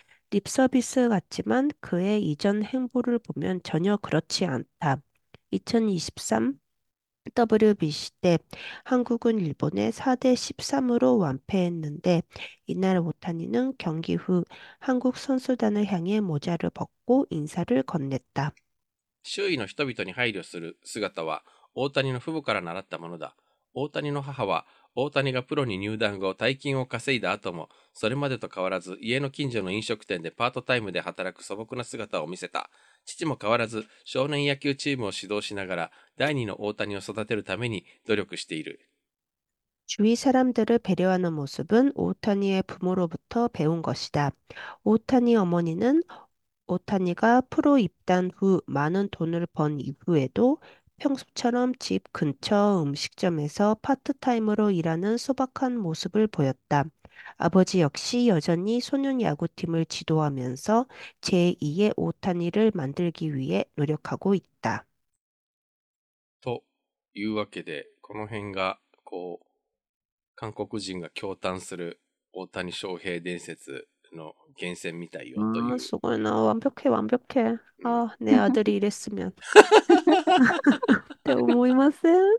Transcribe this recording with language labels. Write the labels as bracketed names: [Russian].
[Korean] 립서비스 같지만 그의 이전 행보를 보면 전혀 그렇지 않다. 2023 WBC 때 한국은 일본에 4대 13으로 완패했는데 이날 오타니는 경기 후 한국 선수단을 향해 모자를 벗고 인사를 건넸다. [Japanese] 周囲の人々に配慮する姿は大谷の父母から習ったものだ。大谷の母は大谷がプロに入団後、大金を稼いだ後も、それまでと変わらず、家の近所の飲食店でパートタイムで働く素朴な姿を見せた。父も変わらず、少年野球チームを指導しながら、第二の大谷を育てるために努力している。 [Korean] 주위사람들을배려하는모습은오타니의부모로부터배운것이다. 오타니 어머니는 오타니가 프로 입단 후 많은 돈을 번 이후에도 평소처럼 집 근처 음식점에서 파트타임으로 일하는 소박한 모습을 보였다. 아버지 역시 여전히 소년 야구 팀을 지도하면서 제 2의 오타니를 만들기 위해 노력하고 있다. [Japanese] というわけで、この辺がこう韓国人が驚嘆する大谷翔平伝説の源泉みたいよという。ああ、すごいな。完璧へ、完璧へ。ああ、ねえ、アドリーレスミャン。って思いません